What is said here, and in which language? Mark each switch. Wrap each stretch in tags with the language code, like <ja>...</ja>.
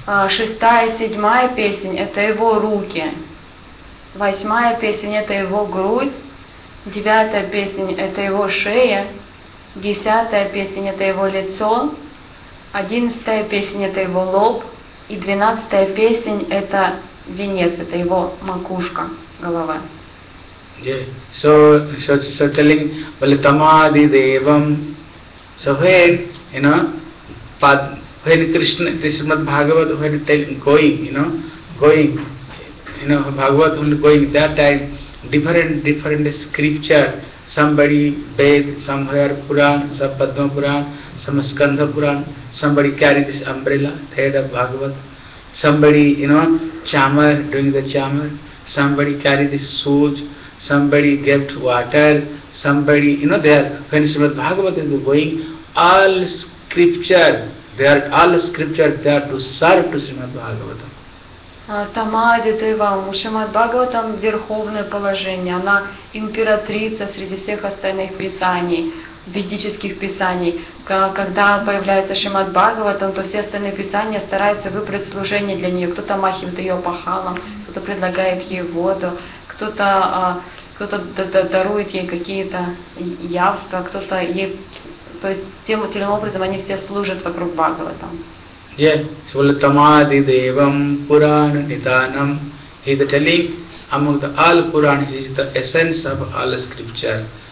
<ru>Шестая, седьмая песня – это его руки. Восьмая песня – это его грудь. Девятая песня – это его шея, десятая песня – это его лицо, одиннадцатая песня – это его лоб, и двенадцатая песня – это венец, это его макушка, голова.</ru> <en>Yeah. So telling Valitamadi Devam, so when, you know, when Krishna, this is not Bhagavad, when going, Bhagavad only going that time, different scripture, somebody Ved, somewhere Puran, some Padma Puran, some Skanda Puran, somebody carry this umbrella, head of Bhagavat, somebody, you know, chamar, doing the chamar, somebody carry this suit, somebody get water, somebody, you know, there, when Srimad Bhagavat is going, all scripture, they are to serve to Srimad Bhagavat.</en> <ru>Тамади Девам, у Шримад Бхагаватам верховное положение, она императрица среди всех остальных писаний, ведических писаний. Когда появляется Шримад Бхагаватам, то все остальные писания стараются выбрать служение для нее. Кто-то махит ее пахалом, кто-то предлагает ей воду, кто-то дарует ей какие-то явства, кто-то ей... То есть тем или иным образом они все служат вокруг Бхагаватам.</ru> <en>Yes, Svalatamadi Devam Purana Nidanam. He is telling among the all Puran, he is the essence of all scripture.</en>